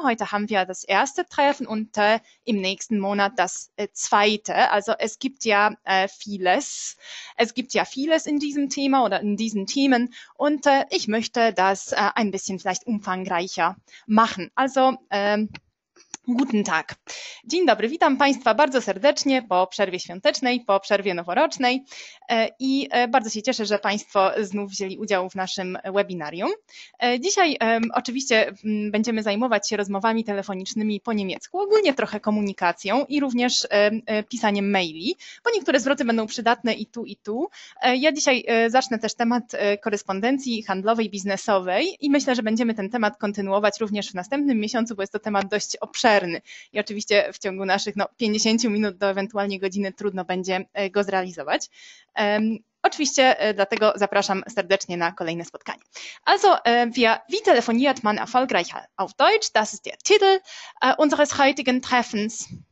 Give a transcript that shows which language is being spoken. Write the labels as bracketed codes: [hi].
[de] Heute haben wir das erste Treffen und im nächsten Monat das zweite. Also es gibt ja vieles. Es gibt ja vieles in diesem Thema oder in diesen Themen. Und ich möchte das ein bisschen vielleicht umfangreicher machen. Also guten Tag. [pl] Dzień dobry, witam Państwa bardzo serdecznie po przerwie świątecznej, po przerwie noworocznej i bardzo się cieszę, że Państwo znów wzięli udział w naszym webinarium. Dzisiaj oczywiście będziemy zajmować się rozmowami telefonicznymi po niemiecku, ogólnie trochę komunikacją i również pisaniem maili, bo niektóre zwroty będą przydatne i tu, i tu. Ja dzisiaj zacznę też temat korespondencji handlowej, biznesowej i myślę, że będziemy ten temat kontynuować również w następnym miesiącu, bo jest to temat dość obszerny. I oczywiście w ciągu naszych 50 minut do ewentualnie godziny trudno będzie go zrealizować. Oczywiście dlatego zapraszam serdecznie na kolejne spotkanie. [de] Also, wie telefoniert man erfolgreich auf Deutsch? Das ist der Titel unseres heutigen Treffens.